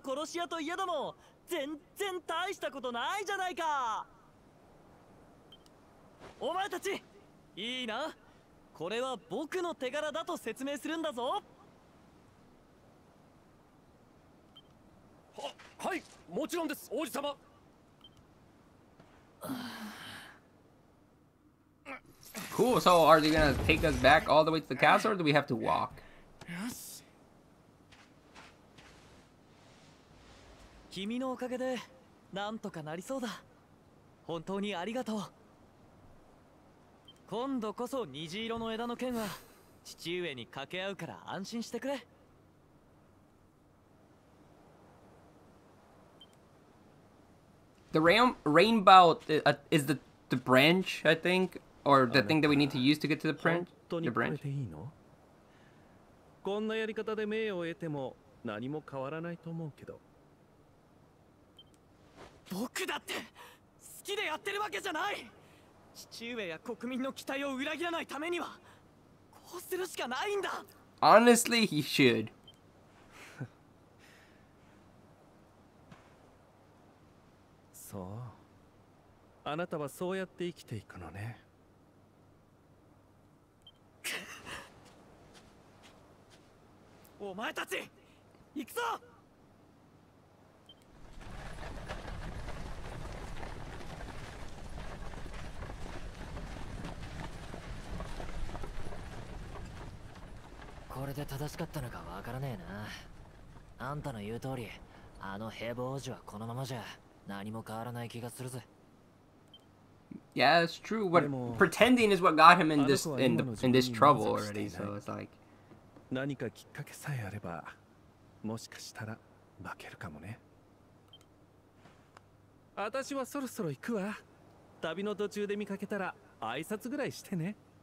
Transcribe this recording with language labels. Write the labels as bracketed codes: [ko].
[ja] なんだ砂漠の殺し屋といえども全然大したことないじゃないか。お前たちいいな。これは僕の手柄だと説明するんだぞ。はい、もちろんです、王子様。 [en] Cool, so are they gonna take us back all the way to the castle, or do we have to walk? Yes. [ja] 君のおかげで、なんとかなりそうだ。本当にありがとう。今度こそ虹色の枝の剣は、父上に掛け合うから安心してくれ。 [en] The rainbow is the branch, I think, or the thing that we need to use to get to the branch. The branch. [ja] これでいいの？こんなやり方で命を得ても何も変わらないと思うけど。僕だって好きでやってるわけじゃない。父上や国民の期待を裏切らないためにはこうするしかないんだ。 [en] Honestly, he should. [ja] そう、あなたはそうやって生きていくのね。お前たち、行くぞ。これで正しかったのかわからねえな。あんたの言う通り、あのヘボ王子はこのままじゃ。何も変わらない気がするぜ。 [en] Yeah, it's true. But pretending is what got him in this in this trouble already. So it's like, [ja] 何かきっかけさえあれば、もしかしたら負けるかもね。私はそろそろ行くわ。旅の途中で見かけたら挨拶ぐらいしてね。